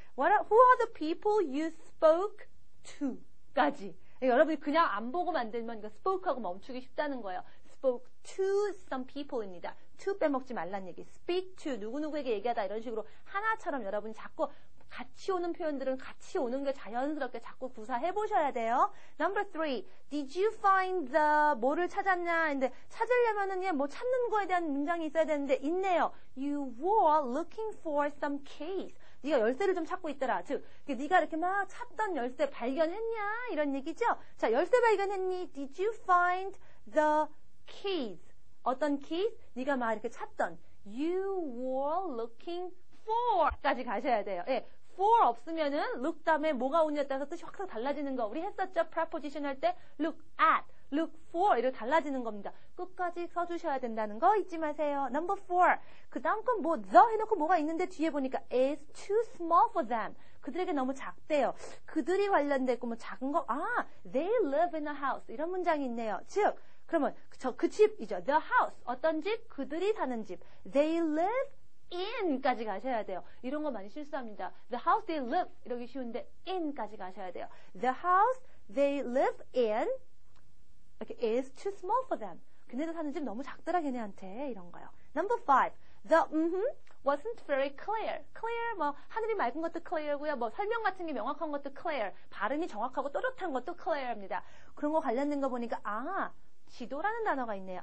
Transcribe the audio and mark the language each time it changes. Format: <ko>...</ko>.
<en>Who are the people you spoke to</en> <ko>까지 예, 여러분이 그냥 안 보고 만들면 이거 spoke하고 멈추기 쉽다는 거예요.</ko> <en>spoke to some people</en> <ko>입니다. to 빼먹지 말란 얘기. speak to 누구누구에게 얘기하다 이런 식으로 하나처럼 여러분이 자꾸 같이 오는 표현들은 같이 오는 게 자연스럽게 자꾸 구사해보셔야 돼요.</ko> <en>Number three, did you find the</en> <ko>뭐를 찾았냐? 근데 찾으려면은 뭐 찾는 거에 대한 문장이 있어야 되는데 있네요.</ko> <en>You were looking for some keys.</en> <ko>네가 열쇠를 좀 찾고 있더라. 즉, 네가 이렇게 막 찾던 열쇠 발견했냐? 이런 얘기죠. 자, 열쇠 발견했니?</ko> <en>Did you find the keys?</en> <ko>어떤 keys? 네가 막 이렇게 찾던.</ko> <en>You were looking for</en> <ko>까지 가셔야 돼요. 예, for 없으면은 look 다음에 뭐가 오냐에 따라서 뜻이 확 달라지는 거 우리 했었죠. preposition 할 때 look at, look for 이렇게 달라지는 겁니다. 끝까지 써주셔야 된다는 거 잊지 마세요.</ko> <en>Number four.</en> <ko>그 다음 건 뭐 the 해놓고 뭐가 있는데 뒤에 보니까</ko> <en>is too small for them.</en> <ko>그들에게 너무 작대요. 그들이 관련되고 뭐 작은 거</ko> <en>they live in a house</en> <ko>이런 문장이 있네요. 즉 그러면 그 집이죠. the house 어떤 집? 그들이 사는 집.</ko> <en>they live in</en> <ko>까지 가셔야 돼요. 이런 거 많이 실수합니다.</ko> <en>The house they live</en> <ko>이러기 쉬운데 in까지 가셔야 돼요.</ko> <en>The house they live in is too small for them.</en> <ko>그네들 사는 집 너무 작더라 걔네한테 이런 거요.</ko> <en>Number five. The wasn't very clear.</en> <ko>Clear 뭐 하늘이 맑은 것도 clear고요. 뭐 설명 같은 게 명확한 것도 clear. 발음이 정확하고 또렷한 것도 clear입니다. 그런 거 관련된 거 보니까 지도라는 단어가 있네요.</ko>